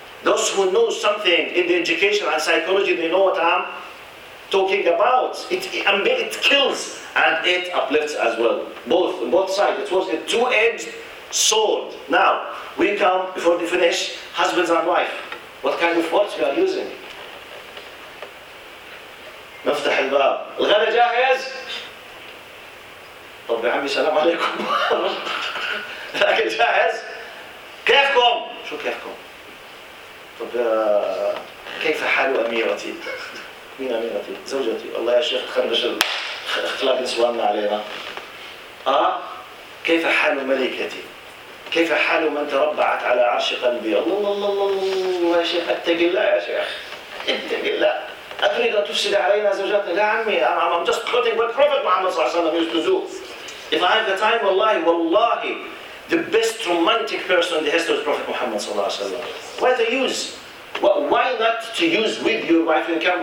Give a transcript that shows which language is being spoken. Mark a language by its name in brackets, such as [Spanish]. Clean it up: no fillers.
[English] Those who know something in the education and psychology, they know what I'm talking about. It kills and it uplifts as well. Both sides. It was a two-edged sword. Now, we come, before we finish, husbands and wife. What kind of words you are using? [Arabic] مفتح الباب. الغداء جاهز؟ طب يا عمي سلام عليكم. الأكل جاهز؟ كيفكم؟ شو كيفكم؟ طب كيف حال أميرتي؟ مين أميرتي؟ زوجتي. والله يا شيخ خندش الأخلاق نسواننا علينا. كيف حال ملكتي؟ كيف حال من تربعت على عرش قلبي؟ الله الله الله يا شيخ اتق الله يا شيخ اتق الله. أتريد أن تفسد علينا زوجاتنا؟ لا عمي [English] I'm just quoting what Prophet Muhammad صلى الله عليه وسلم used to do. If I have the time, والله the best romantic person in the history of the Prophet Muhammad صلى الله عليه وسلم. Why to use? Why not to use with your wife when you come?